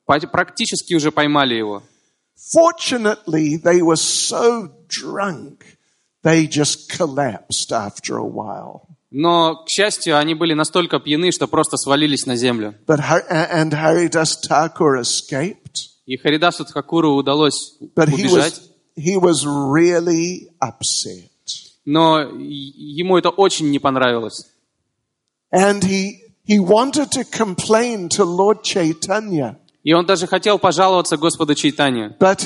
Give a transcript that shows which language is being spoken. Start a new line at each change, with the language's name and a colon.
Russian: Практически уже поймали его.
English: Fortunately, they were so drunk, they just collapsed after a while.
Russian: Но, к счастью, они были настолько пьяны, что просто свалились на землю.
English: And Haridas Thakura escaped.
Russian: И Харидасу Тхакуру удалось убежать.
English: He was really upset.
Russian: Но ему это очень не понравилось. И он даже хотел пожаловаться Господу Чайтанье.